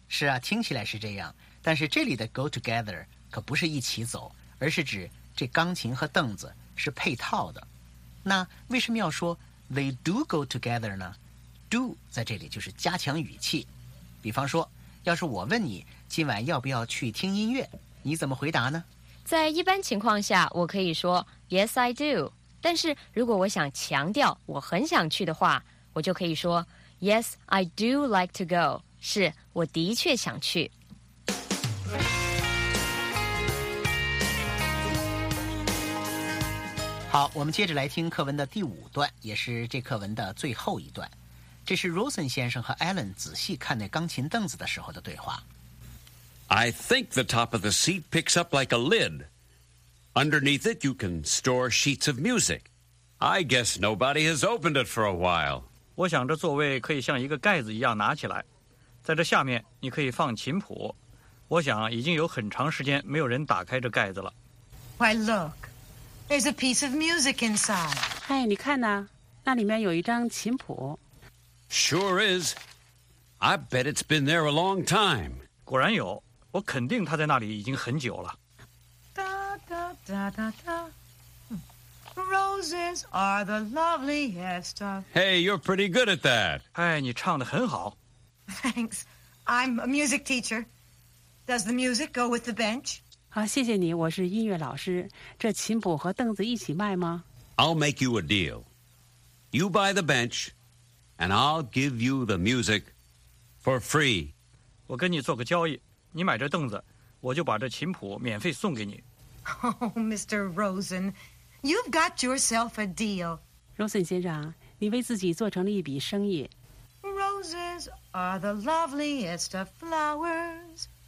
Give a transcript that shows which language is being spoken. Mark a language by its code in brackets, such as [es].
[zh] 是啊，听起来是这样，但是这里的 [en] go together [zh] 可不是一起走，而是指这钢琴和凳子是配套的。那为什么要说 [en] They do go together [zh] 呢？ Do 在这里就是加强语气。比方说，要是我问你今晚要不要去听音乐，你怎么回答呢？在一般情况下我可以说 [en] Yes, I do， [zh] 但是如果我想强调我很想去的话，我就可以说 [en] Yes, I do like to go， [zh] 是我的确想去。好，我们接着来听课文的第五段，也是这课文的最后一段。这是 Rosen 先生和 Alan 仔细看那钢琴凳子的时候的对话。 [en] I think the top of the seat picks up like a lid. Underneath it, you can store sheets of music. I guess nobody has opened it for a while. [zh] 我想这座位可以像一个盖子一样拿起来，在这下面你可以放琴谱。我想已经有很长时间没有人打开这盖子了。 [en] Why look? There's a piece of music inside. [zh] 哎，你看呐，那里面有一张琴谱。 [en] Sure is. I bet it's been there a long time. [zh] 果然有，我肯定他在那里已经很久了。哒哒哒哒哒 [en] ，Roses are the loveliest of. Hey, you're pretty good at that. [zh] 哎，你唱得很好。 [en] Thanks, I'm a music teacher. Does the music go with the bench? [zh] 好，谢谢你，我是音乐老师。这琴谱和凳子一起卖吗 [en] ？I'll make you a deal. You buy the bench, and I'll give you the music for free. [zh] 我跟你做个交易，你买这凳子，我就把这琴谱免费送给你。 [en] Oh, Mr. Rosen, you've got yourself a deal. [zh] Rosen 先生，你为自己做成了一笔生意。 [en] Roses are the loveliest of flowers.